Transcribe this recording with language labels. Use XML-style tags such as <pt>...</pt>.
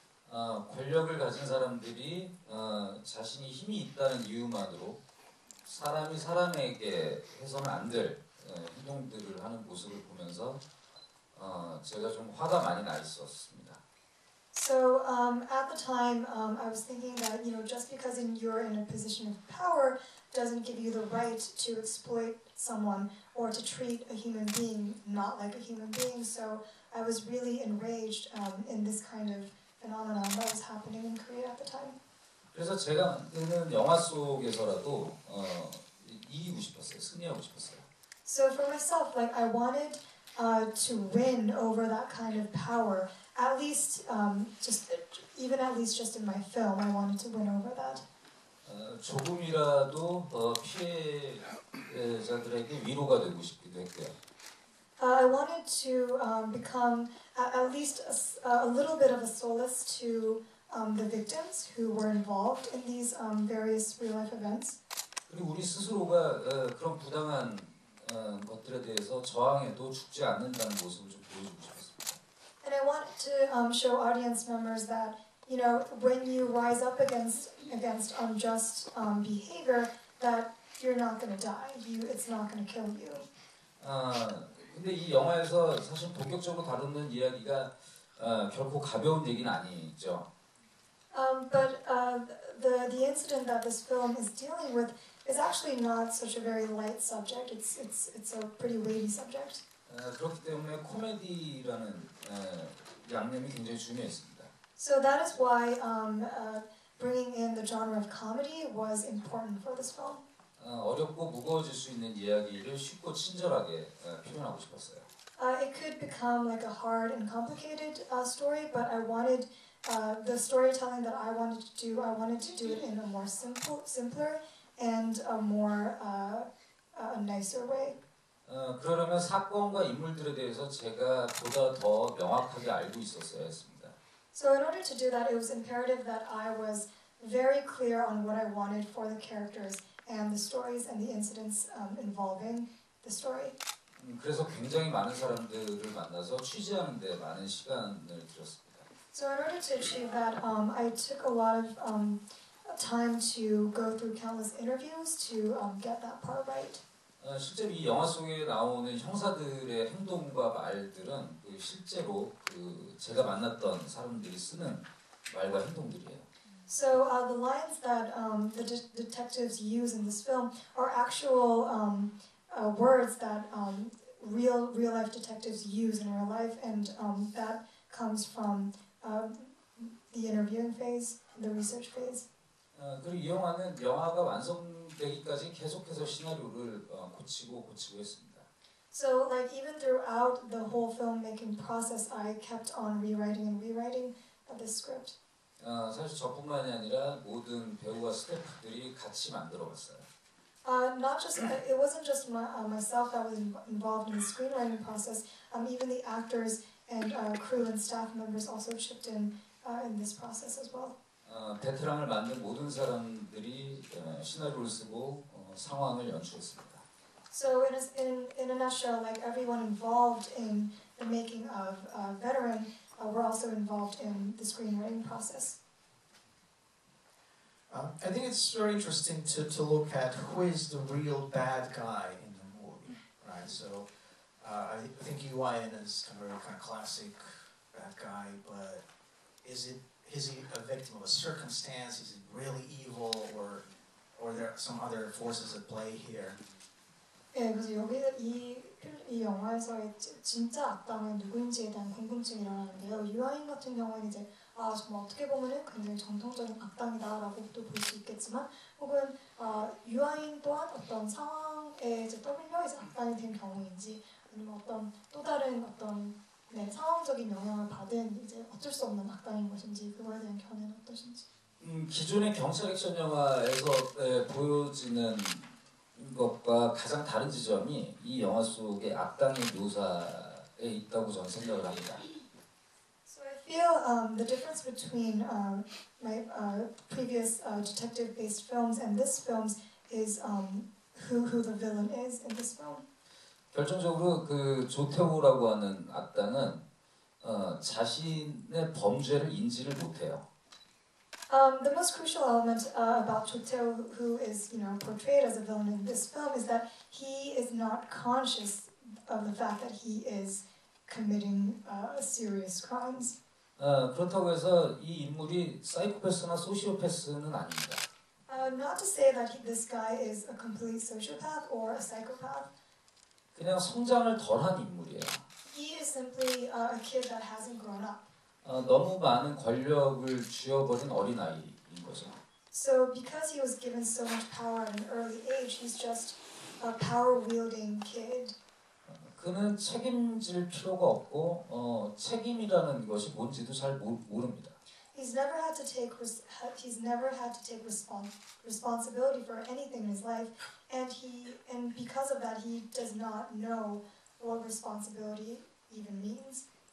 <ko>권력을 가진 사람들이 자신이 힘이 있다는 이유만으로 사람이 사람에게 해서는 안 될 행동들을 하는 모습을 보면서 제가 좀 화가 많이 나 있었습니다.</ko> <en>So at the time, I was thinking that you know just because you're in a position of power doesn't give you the right to exploit someone or to treat a human being not like a human being. So I was really enraged in this kind of phenomenon that was happening in Korea at the time.</en> <ko>그래서 제가 만드는 영화 속에서라도 이기고 싶었어요. 승리하고 싶었어요.</ko> <en>So for myself, like I wanted to win over that kind of power. At least, just in my film, I wanted to win over that.</en> <ko>조금이라도 피해자들에게 위로가 되고 싶기도 했고요.</ko> <en>I wanted to become at least a little bit of a solace to the victims who were involved in these various real life events.</en> <ko>그리고 우리 스스로가 그런 부당한 것들에 대해서 저항해도 죽지 않는다는 모습을 좀 보여주고 싶었습니다.</ko> <en>And I wanted to show audience members that you know when you rise up against unjust behavior that you're not going to die. It's not going to kill you.</en> <ko>근데 이 영화에서 사실 본격적으로 다루는 이야기가 결코 가벼운 얘기는 아니죠.</ko> <en>But the incident that this film is dealing with is actually not such a very light subject. It's a pretty weighty subject.</en> <ko>그렇기 때문에 코미디라는 양념이 굉장히 중요했습니다.</ko> <en>So that is why bringing in the genre of comedy was important for this film.</en> <ko>어렵고 무거워질 수 있는 이야기를 쉽고 친절하게 표현하고 싶었어요.</ko> <en>It could become like a hard and complicated story, but I wanted the storytelling that I wanted to do, I wanted to do it in a more simpler and a more a nicer way.</en> <ko>그러려면 사건과 인물들에 대해서 제가 보다 더 명확하게 알고 있었어야 했습니다.</ko> <en>So in order to do that, it was imperative that I was very clear on what I wanted for the characters and the stories and the incidents involving the story.</en> <ko>그래서 굉장히 많은 사람들을 만나서 취재하는 데 많은 시간을 들였습니다.</ko> <en>So in order to achieve that, I took a lot of time to go through countless interviews to get that part right.</en> <ko>실제로 이 영화 속에 나오는 형사들의 행동과 말들은 실제로 제가 만났던 사람들이 쓰는 말과 행동들이에요.</ko> <en>So the lines that the detectives use in this film are actual words that real life detectives use in real life, and that comes from the interviewing phase, the research phase.</en> <ko>그리고 이 영화는 영화가 완성되기까지 계속해서 시나리오를 고치고 했습니다.</ko> <en>So, like even throughout the whole filmmaking process, I kept on rewriting the script.</en> <ko>사실 저뿐만이 아니라 모든 배우와 스태프들이 같이 만들어갔어요.</ko> <en>It wasn't just myself that was involved in the screenwriting process. Even the actors. And crew and staff members also chipped in this process as well.</en> <ko>베테랑을 만든 모든 사람들이 시나리오를 쓰고 상황을 연출했습니다.</ko> <en>So in a nutshell, like everyone involved in the making of Veteran, were also involved in the screenwriting process. I think it's very interesting to look at who is the real bad guy in the movie, right? So. I think Yuan is kind of classic bad guy, but is he a victim of a circumstance? Is it really evil, or there are some other forces at play here?</en> <ko>Yeah, 그래서 여기 이 영화에서 진짜 악당은 누구인지에 대한 궁금증이 일어나는데요. 유아인 같은 경우는 이제 아 뭐 어떻게 보면은 굉장히 전통적인 악당이다라고 또 볼 수 있겠지만 혹은 유아인 또한 어떤 상황에 이제 떠밀려서 악당이 된 경우인지. 아니면 어떤 또 다른 어떤 네, 상황적인 영향을 받은 이제 어쩔 수 없는 악당인 것인지 그거에 대한 견해는 어떠신지? 기존의 경찰 액션 영화에서 보여지는 것과 가장 다른 지점이 이 영화 속의 악당의 묘사에 있다고 저는 생각을 합니다.</ko> <en>So I feel feel the difference between my previous detective-based films and this film is who the villain is in this film?</en> <ko>결정적으로 그 조태호라고 하는 악당은 자신의 범죄를 인지를 못해요.</ko> <en>The most crucial element about Jo-tae-ho, who is, you know, portrayed as a villain in this film, is that he is not conscious of the fact that he is committing serious crimes.</en> <ko>그렇다고 해서 이 인물이 사이코패스나 소시오패스는 아닙니다.</ko> <en>Not to say that this guy is a complete sociopath or a psychopath.</en> <ko>그냥 성장을 덜한 인물이에요.</ko> <en>He is simply a kid that hasn't grown up.</en> <ko>너무 많은 권력을 쥐어버린 어린아이인 거죠.</ko> <en>So because he was given so much power at an early age, he's just a power-wielding kid.</en> <ko>그는 책임질 필요가 없고 책임이라는 것이 뭔지도 잘 모릅니다.</ko> <en>He's never had to take responsibility for anything in his life, and because of that, he does not know what responsibility even means.</en>